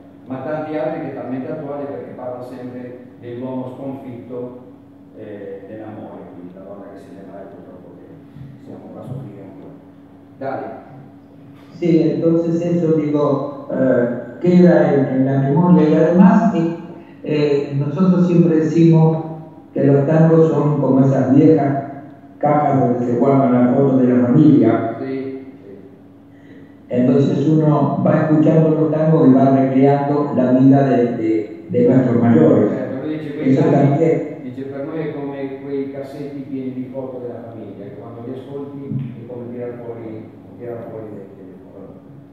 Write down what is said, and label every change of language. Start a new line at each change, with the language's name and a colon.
Italian: Ma tanti altri che è talmente attuale perché parla sempre dell'uomo sconfitto dell'amore, quindi la donna che se ne va e purtroppo che siamo qua a soffrire ancora.
Spanish: Dale. Sì, entonces eso digo, queda en la memoria y además que nosotros siempre decimos que los tangos son como esas viejas cajas donde se guardan las fotos de la familia. Entonces uno va escuchando los tangos y va recreando la vida de nuestros mayores.
Italian: Certo, dice, también, dice, per noi è come quei cassetti pieni di foto della famiglia, e quando li ascolti è come tirar fuori delle foto.